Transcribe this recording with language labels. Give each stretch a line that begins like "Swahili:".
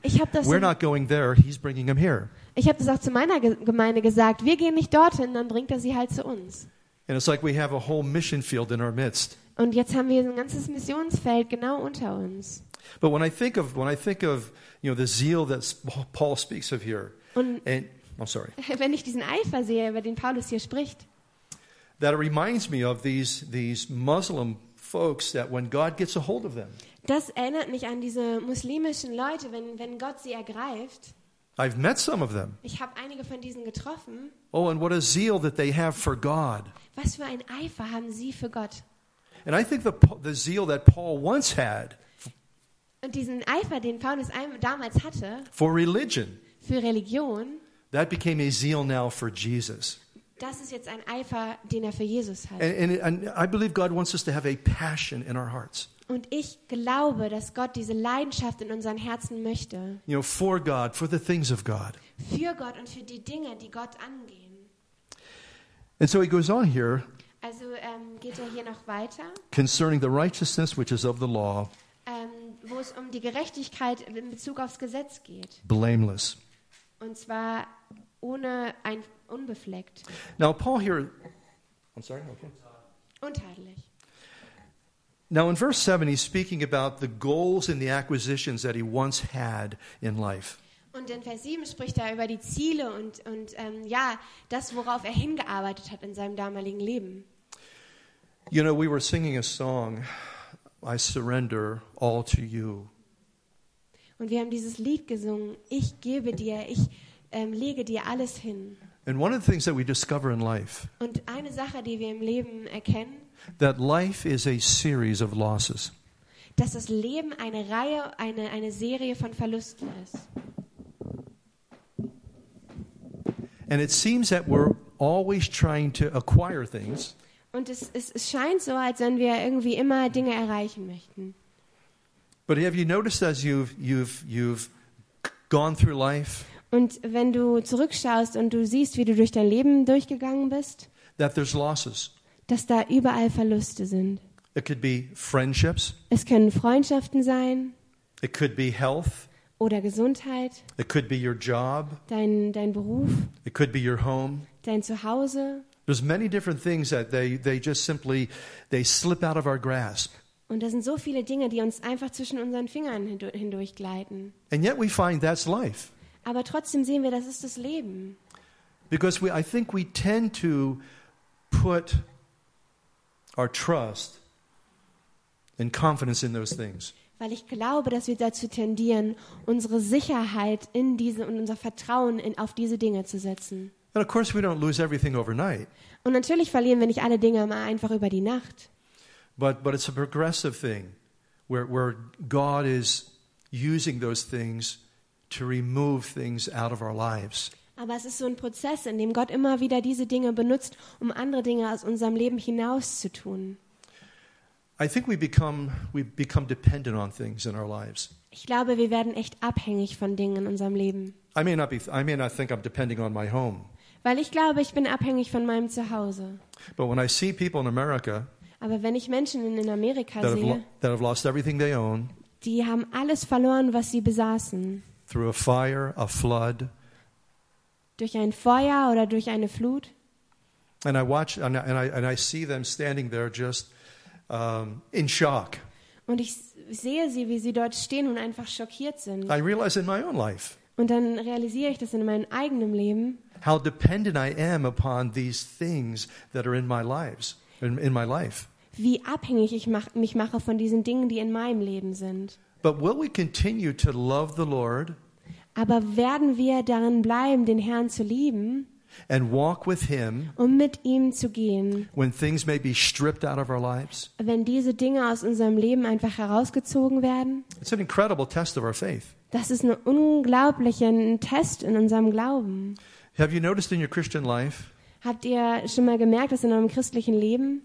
German: Ich habe das.
English: We're not going there. He's bringing them here.
German: Ich habe das auch zu meiner Gemeinde gesagt. Wir gehen nicht dorthin, dann bringt er sie halt zu uns.
English: And it's like we have a whole mission field in our midst.
German: Und jetzt haben wir ein ganzes Missionsfeld genau unter uns.
English: But when I think of you know the zeal that Paul speaks of here.
German: Wenn ich diesen Eifer sehe, über den Paulus hier spricht.
English: That reminds me of these Muslim folks that when God gets a hold of them.
German: Das erinnert mich an diese muslimischen Leute, wenn Gott sie ergreift.
English: I've met some of them.
German: Ich habe einige von diesen getroffen.
English: Oh, and what a zeal that they have for God.
German: Was für ein Eifer haben sie für Gott?
English: And I think the zeal that Paul once had.
German: Und diesen Eifer, den Paulus damals hatte.
English: For religion.
German: Für Religion.
English: That became a zeal now for Jesus.
German: Das ist jetzt ein Eifer, den er für Jesus hat.
English: And I believe God wants us to have a passion in our hearts.
German: Und ich glaube, dass Gott diese Leidenschaft in unseren Herzen möchte.
English: You know, for God, for the things of God.
German: für Gott und für die Dinge, die Gott angehen.
English: And so he goes on here.
German: Also geht er hier noch weiter.
English: Concerning the righteousness which is of the law.
German: Wo es um die Gerechtigkeit in Bezug aufs Gesetz geht.
English: Blameless.
German: Und zwar ohne ein unbefleckt.
English: Now Paul here. I'm sorry. Okay.
German: Untadelig.
English: Now in verse 7 he's speaking about the goals and the acquisitions that he once had in life.
German: Und in Vers 7 spricht er über die Ziele und das, worauf er hingearbeitet hat in seinem damaligen Leben.
English: You know, we were singing a song, I surrender all to you.
German: Und wir haben dieses Lied gesungen, ich gebe dir, ich lege dir alles hin.
English: And one of the things that we discover in life.
German: Und eine Sache, die wir im Leben erkennen,
English: that life is a series of losses.
German: Dass das Leben eine Reihe, eine Serie von Verlusten ist.
English: And it seems that we're always trying to acquire things.
German: Und es scheint so, als wenn wir irgendwie immer Dinge erreichen möchten.
English: But have you noticed as you've gone through life?
German: Und wenn du zurückschaust und du siehst, wie du durch dein Leben durchgegangen bist,
English: that there's losses.
German: Dass da überall Verluste sind.
English: It could be friendships.
German: Es können Freundschaften sein.
English: It could be health.
German: Oder Gesundheit.
English: It could be your job.
German: Dein Beruf.
English: It could be your home.
German: Dein Zuhause.
English: There's many different things that they just simply they slip out of our grasp.
German: Und da sind so viele Dinge, die uns einfach zwischen unseren Fingern hindurchgleiten.
English: And yet we find that's life.
German: Aber trotzdem sehen wir, das ist das Leben.
English: Because I think we tend to put our trust and confidence in those things.
German: Weil ich glaube, dass wir dazu tendieren, unsere Sicherheit in diese und unser Vertrauen auf diese Dinge zu setzen.
English: And of course we don't lose everything overnight.
German: Und natürlich verlieren wir nicht alle Dinge mal einfach über die Nacht.
English: But it's a progressive thing where God is using those things to remove things out of our lives.
German: Aber es ist so ein Prozess, in dem Gott immer wieder diese Dinge benutzt, um andere Dinge aus unserem Leben hinauszutun.
English: I think we become dependent on things in our lives.
German: Ich glaube, wir werden echt abhängig von Dingen in unserem Leben.
English: I may not think I'm depending on my home.
German: Weil ich glaube, ich bin abhängig von meinem Zuhause.
English: But when I see people in America,
German: aber wenn ich Menschen in Amerika
English: that
German: sehe,
English: that have lost everything they own,
German: die haben alles verloren, was sie besaßen.
English: Through a fire, a flood,
German: durch ein Feuer oder durch eine Flut.
English: And I watch and I see them standing there just in shock.
German: Und ich sehe sie, wie sie dort stehen und einfach schockiert sind.
English: I realize in my own life.
German: Und dann realisiere ich das in meinem eigenen Leben.
English: How dependent I am upon these things that are in my lives, in my life.
German: Wie abhängig ich mich mache von diesen Dingen, die in meinem Leben sind.
English: But will we continue to love the Lord?
German: Aber werden wir darin bleiben, den Herrn zu lieben?
English: And walk with him.
German: Um mit ihm zu gehen.
English: When things may be stripped out of our lives.
German: Wenn diese Dinge aus unserem Leben einfach herausgezogen werden.
English: It's an incredible test of our faith.
German: Das ist ein unglaublicher Test in unserem Glauben.
English: Have you noticed in your Christian life?
German: Habt ihr schon mal gemerkt, dass in eurem christlichen Leben?